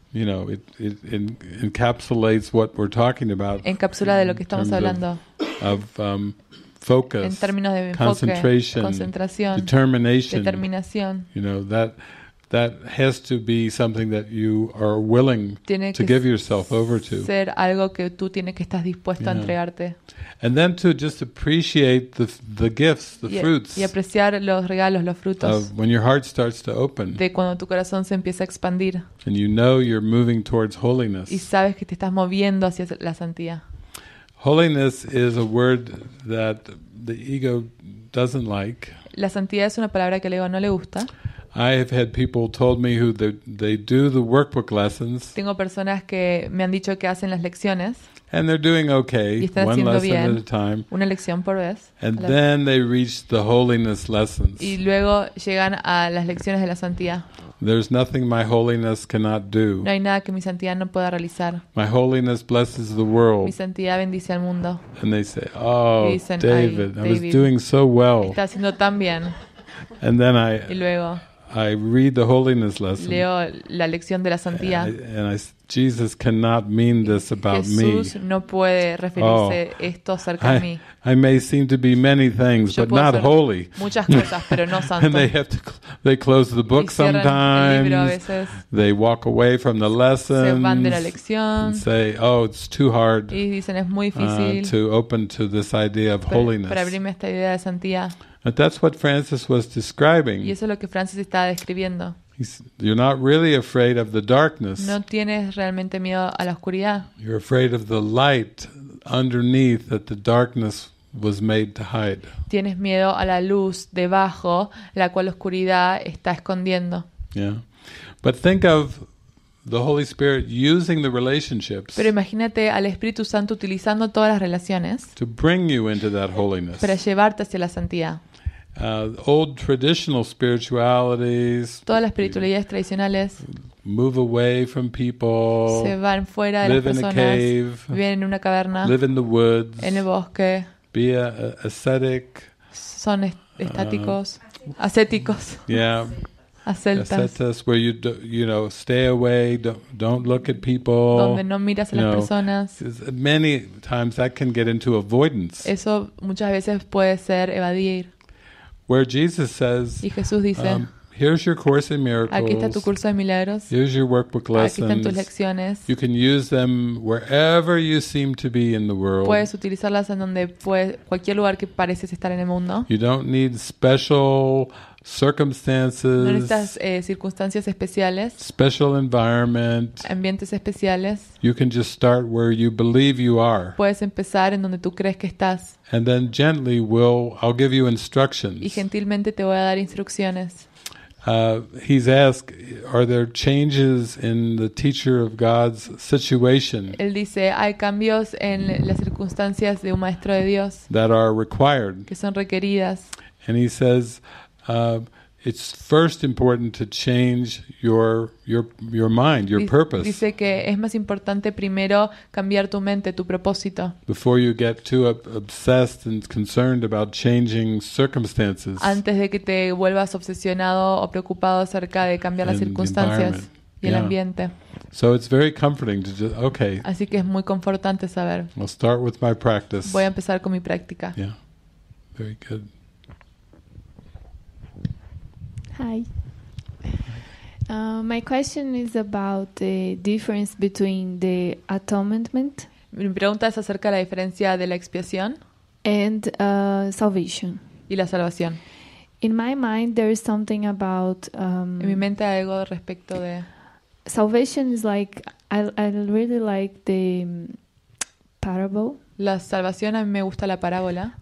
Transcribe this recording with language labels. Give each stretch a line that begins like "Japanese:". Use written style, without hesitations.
English: You know, it encapsulates what we're talking about.
Spanish: Encapsula de lo que estamos hablando.
English: Of focus.
Spanish: En términos de enfoque, concentración, determinación.
English: You know, that has to be something that you are willing to give yourself over to.
Spanish: Tiene que ser algo que tú tienes que estás dispuesto a entregarte.
English: And then to just appreciate the gifts, the fruits.
Spanish: Y apreciar los regalos, los frutos.
English: Of when your heart starts to open.
Spanish: De cuando tu corazón se empieza a expandir.
English: And you know you're moving towards holiness.
Spanish: Y sabes que te estás moviendo hacia la santidad.
English: Holiness is a word that the ego doesn't like.
Spanish: La santidad es una palabra que al ego no le gusta.
English: I have had people told me who they do the workbook lessons.
Spanish: Tengo personas que me han dicho que hacen las lecciones.
English: And they're doing okay, one lesson
Spanish: bien,
English: at a time.
Spanish: Una lección por vez. And then they reach the holiness lessons. Y luego llegan a las lecciones de la santidad.
English: There's nothing my holiness cannot do.
Spanish: No hay nada que mi santidad no pueda realizar.
English: My holiness blesses the world.
Spanish: Mi santidad bendice al mundo.
English: And they say, oh,
Spanish: dicen,
English: David,
Spanish: David,
English: I was doing so well.
Spanish: Está haciendo tan bien.
English: And then I,
Spanish: y luego,
English: I read the holiness lesson.
Spanish: Leo la lección de la santidad.
English: And I, Jesus cannot mean this about me.
Spanish: Jesús no puede referirse esto acerca de mí.
English: I may seem to be many things, but not holy.
Spanish: Muchas cosas, pero no santo.
English: And they close the book sometimes. They walk away from the lesson.
Spanish: Se van de la lección.
English: And say, oh, it's too hard.
Spanish: Y dicen, es muy difícil
English: to open to this idea of holiness.
Spanish: Para abrirme esta idea de santidad.
English: But that's what Francis was describing.
Spanish: Y eso es lo que Francis estaba describiendo.
English: You're not really afraid of the darkness.
Spanish: No tienes realmente miedo a la oscuridad.
English: You're afraid of the light underneath that the darkness was made to hide.
Spanish: Tienes miedo a la luz debajo la cual la oscuridad está escondiendo.
English: Yeah. But think of the Holy Spirit using the relationships.
Spanish: Pero imagínate al Espíritu Santo utilizando todas las relaciones.
English: To bring you into that holiness.
Spanish: Para llevarte hacia la santidad.
English: Old traditional spiritualities.
Spanish: Todas las espiritualidades tradicionales.
English: Move away from people.
Spanish: Se van fuera de las personas.
English: Live in a cave.
Spanish: Viven en una caverna.
English: Live in the woods.
Spanish: En el bosque.
English: Be a ascetic.
Spanish: Son estáticos. Ascéticos.
English: Yeah.
Spanish: Ascetas.
English: Ascetas, where you stay away. Don't look at people.
Spanish: Donde no miras a las personas.
English: Many times that can get into avoidance.
Spanish: Eso muchas veces puede ser evadir.
English: Where Jesus says,
Spanish: y Jesús dice,
English: here's your course in miracles.
Spanish: Aquí está tu curso de milagros.
English: Here's your workbook lessons.
Spanish: Aquí están tus lecciones.
English: You can use them wherever you seem to be in the world.
Spanish: Puedes utilizarlas en donde puedes, cualquier lugar que pareces estar en el mundo.
English: You don't need special circumstances.
Spanish: No necesitas circunstancias especiales.
English: Special environment.
Spanish: Ambientes especiales.
English: You can just start where you believe you are.
Spanish: Puedes empezar en donde tú crees que estás.
English: And then gently I'll give you instructions.
Spanish: Y gentilmente te voy a dar instrucciones.
English: He's asked, are there changes in the teacher of God's situation?
Spanish: Él dice, hay cambios en las circunstancias de un maestro de Dios.
English: That are required.
Spanish: Que son requeridas.
English: And he says, it's first important to change your mind, your purpose.
Spanish: Dice que es más importante primero cambiar tu mente, tu propósito.
English: Before you get too obsessed and concerned about changing circumstances.
Spanish: Antes de que te vuelvas obsesionado o preocupado acerca de cambiar las circunstancias y el ambiente.
English: So it's very comforting to just okay.
Spanish: Así que es muy confortante saber.
English: I'll start with my practice.
Spanish: Voy a empezar con mi práctica.
English: Yeah, very good. Hi. My question is about the difference between the atonement.
Spanish: Mi pregunta es acerca de la diferencia de la expiación
English: and salvation.
Spanish: Y la salvación.
English: In my mind, there is something about.
Spanish: En mi mente hay algo respecto de.
English: Salvation is like I really like the parable.
Spanish: La salvación a mí me gusta la parábola.